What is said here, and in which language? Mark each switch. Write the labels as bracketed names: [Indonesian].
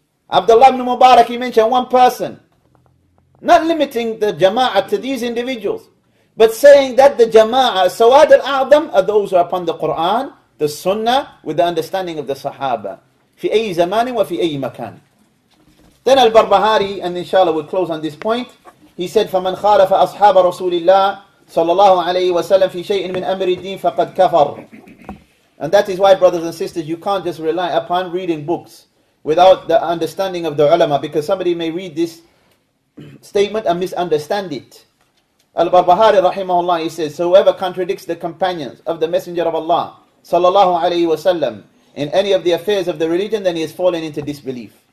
[English] Abdullah ibn Mubarak, he mentioned one person. Not limiting the jama'ah to these individuals, but saying that the jama'ah, sawad al-a'zam, are those who are upon the Qur'an, the sunnah, with the understanding of the sahaba. [Arabic] Fi ayy zamani wa fi ayy makan. [English] Then al-Barbahari, and inshallah we'll close on this point, he said, [Arabic] فَمَنْ خَالَفَ أَصْحَابَ رَسُولِ اللَّهِ صَلَّى اللَّهُ عَلَيْهِ وَسَلَّمْ فِي شَيْءٍ مِنْ أَمْرِ الدِّينِ فَقَدْ كَفَرْ. [English] And that is why, brothers and sisters, you can't just rely upon reading books without the understanding of the ulama, because somebody may read this statement and misunderstand it. Al-Barbahari rahimahullah, he says, so whoever contradicts the companions of the Messenger of Allah sallallahu alayhi wa sallam in any of the affairs of the religion, then he has fallen into disbelief.